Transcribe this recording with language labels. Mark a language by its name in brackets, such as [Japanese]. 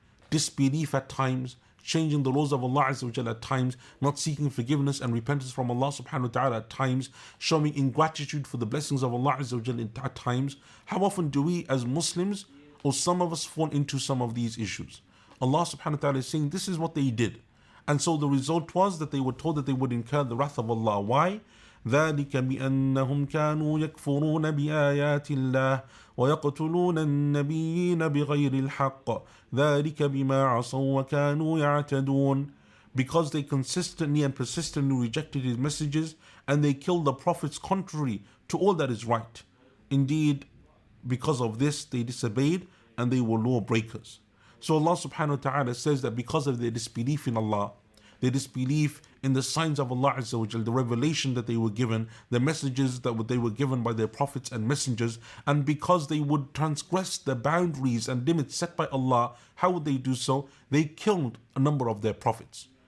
[English] Disbelief at times, changing the laws of Allah [Arabic] Azza wa Jal [English] at times, not seeking forgiveness and repentance from Allah [Arabic] subhanahu wa ta'ala [English] at times, showing ingratitude for the blessings of Allah Azza wa Jal at times. How often do we as Muslims, or some of us, fall into some of these issues? Allah [Arabic] subhanahu wa ta'ala [English] is saying this is what they did. And so the result was that they were told that they would incur the wrath of Allah. Why? [Arabic] ذلك بأنهم كانوا يكفرون بآيات الله ويقتلون النبيين بغير الحق ذلك بما عصوا وكانوا يعتدون. [English] Because they consistently and persistently rejected His messages and they killed the prophets contrary to all that is right. Indeed, because of this they disobeyed and they were lawbreakers. So Allah [Arabic] subhanahu wa ta'ala [English] says that because of their disbelief in Allah, their disbelief in the signs of Allah [Arabic] Azza wa Jal, [English] the revelation that they were given, the messages that they were given by their prophets and messengers, and because they would transgress the boundaries and limits set by Allah, how would they do so? They killed a number of their prophets.